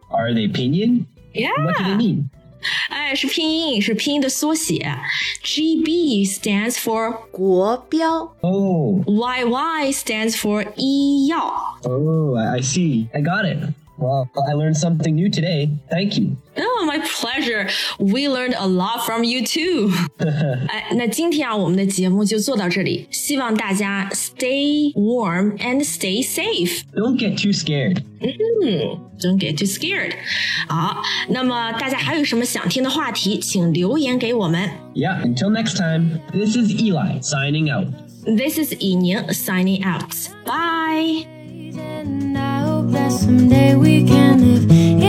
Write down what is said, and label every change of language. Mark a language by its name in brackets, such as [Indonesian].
[English] Are they pinyin? Yeah. What do they mean? [Chinese] 哎，是拼音，是拼音的缩写。 [English] GB stands for [Chinese] 国标。 [English] Oh. YY stands for 医药。 Oh, I see. I got it. Well, I learned something new today. Thank you. Oh, my pleasure. We learned a lot from you too. [Chinese] 哎，那今天啊，我们的节目就做到这里。希望大家 [English] stay warm and stay safe. Don't get too scared. Don't get too scared. [Chinese] 好，那么大家还有什么想听的话题，请留言给我们。 [English] Yeah, until next time, this is Eli signing out. This is 以宁 signing out. Bye. And I hope that someday we can live